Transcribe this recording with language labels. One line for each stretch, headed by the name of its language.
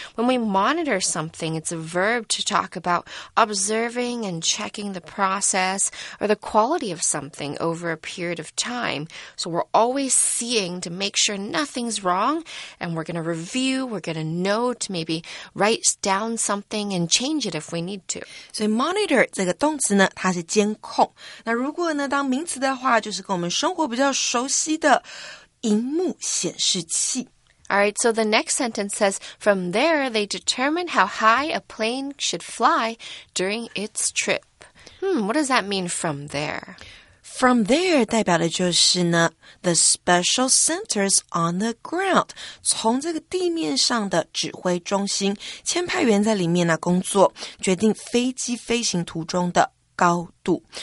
English: When we monitor something, it's a verb to talk about observing and checking the process or the quality of something over a period of time. So we're always seeing to make sure nothing's wrong, and we're going to review, we're going to note, maybe write down something and change it if we need to.
Chinese: 所以 monitor 这个动词呢它是监控。那如果呢当名词的话就是跟我们生活比较熟悉的荧幕显示器。
English: Alright, so the next sentence says, from there they determine how high a plane should fly during its trip. What does that mean from there?
Chinese: From there 代表的就是呢
English: the special centers on the ground,
Chinese: 从这个地面上的指挥中心签派员在里面呢工作决定飞机飞行途中的高度。